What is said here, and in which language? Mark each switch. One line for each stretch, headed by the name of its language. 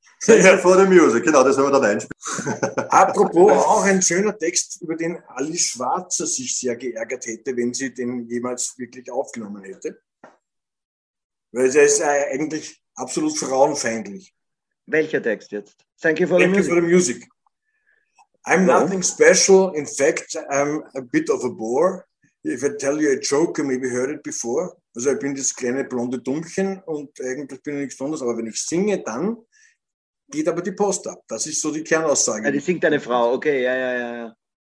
German: Thank you for the music, genau, das haben wir dann einspielen. Apropos auch ein schöner Text, über den Alice Schwarzer sich sehr geärgert hätte, wenn sie den jemals wirklich aufgenommen hätte. Weil er ist eigentlich absolut frauenfeindlich. Welcher Text jetzt?
English: Thank you for the music. I'm nothing special, in fact, I'm a bit of a bore. If I tell you a joke, you maybe heard it before.
German: Also ich bin das kleine blonde Dummchen und eigentlich bin ich nichts Besonderes. Aber wenn ich singe, dann geht aber die Post ab. Das ist so die Kernaussage. Ja, die singt deine Frau, okay, ja.